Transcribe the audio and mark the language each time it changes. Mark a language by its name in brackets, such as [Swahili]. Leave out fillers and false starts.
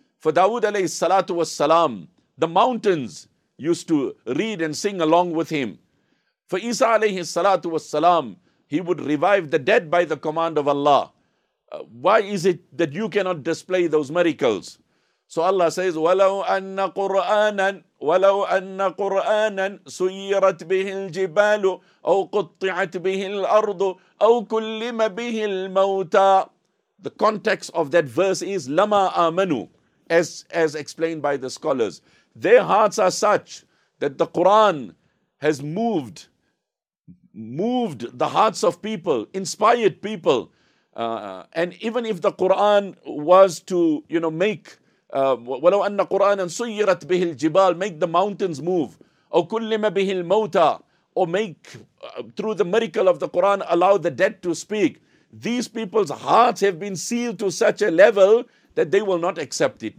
[English] For Dawood alayhi salatu wasalam, the mountains used to read and sing along with him. For Isa alayhi salatu wasalam, he would revive the dead by the command of Allah. Why is it that you cannot display those miracles? So Allah says, [Arabic] وَلَوْ أَنَّ قُرْآنًا وَلَوْ أَنَّ قُرْآنًا سُيِّرَتْ بِهِ الْجِبَالُ أَوْ قُطِّعَتْ بِهِ الْأَرْضُ أَوْ كُلِّمَ بِهِ الْمَوْتَى. [English] The context of that verse is [Arabic] لَمَا آمَنُوا, [English] as explained by the scholars. Their hearts are such that the Quran has moved the hearts of people, inspired people. And even if the Quran was to, you know, make [Arabic] وَلَوْ أَنَّ قُرْآنًا سُيِّرَتْ بِهِ الْجِبَالِ, [English] make the mountains move, [Arabic] أَوْ كُلِّمَ بِهِ الْمَوْتَى, [English] or make through the miracle of the Quran allow the dead to speak, these people's hearts have been sealed to such a level that they will not accept it.